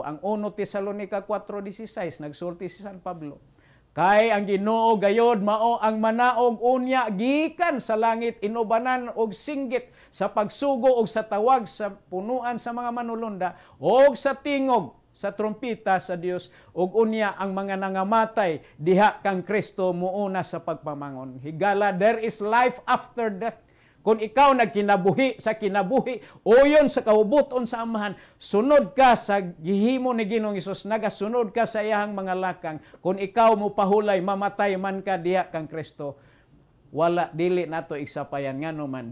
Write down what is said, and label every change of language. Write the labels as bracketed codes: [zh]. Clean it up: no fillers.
[ceb] Ang 1 Tesalonica 4:16 nagsulti si San Pablo, kay ang Ginoo gayod mao ang manaog unya gikan sa langit inubanan og singgit sa pagsugo og sa tawag sa punuan sa mga manulunda og sa tingog sa trompeta sa Dios og unya ang mga nangamatay diha kang Kristo muuna sa pagpamangon. [en] Higala, there is life after death. [ceb] Kung ikaw nagkinabuhi sa kinabuhi, uyon sa kahubuton sa Amahan, sunod ka sa gihimo ni Ginoong Hesus, nagasunod ka sa iyang mga lakang. Kung ikaw mupahulay, mamatay man ka diha kang Kristo, wala, dili nato isapayan nga naman.